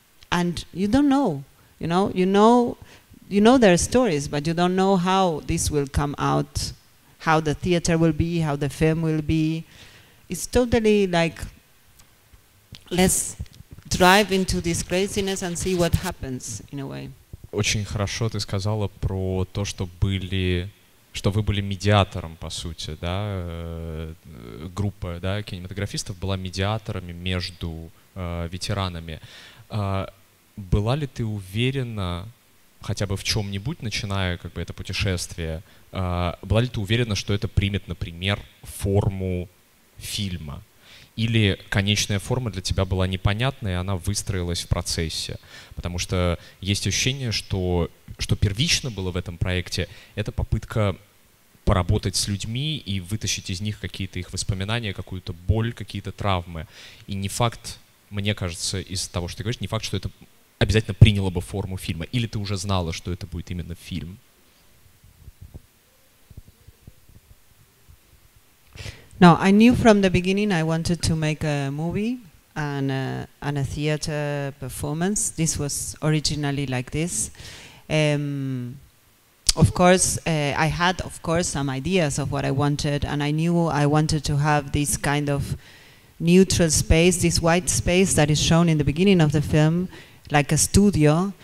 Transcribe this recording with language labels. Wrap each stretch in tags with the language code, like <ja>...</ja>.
<en>And you don't know, you know? You know their stories, but you don't know how this will come out, how the theater will be, how the film will be. It's totally like, let's drive into this craziness and see what happens, in a way.</en> <ru>Очень хорошо ты сказала про то, что были... что вы были медиатором, по сути, да, группа, да, кинематографистов была медиаторами между ветеранами. Была ли ты уверена хотя бы в чем-нибудь, начиная как бы это путешествие, была ли ты уверена, что это примет, например, форму фильма? Или конечная форма для тебя была непонятна, и она выстроилась в процессе? Потому что есть ощущение, что первично было в этом проекте, это попытка поработать с людьми и вытащить из них какие-то их воспоминания, какую-то боль, какие-то травмы. И не факт, мне кажется, из того, что ты говоришь, не факт, что это обязательно приняло бы форму фильма? Или ты уже знала, что это будет именно фильм?</ru> <en>No, I knew from the beginning I wanted to make a movie and a theater performance. This was originally like this. Of course, I had, of course, some ideas of what I wanted, and I knew I wanted to have this kind of neutral space, this white space that is shown in the beginning of the film, like a studio.</en>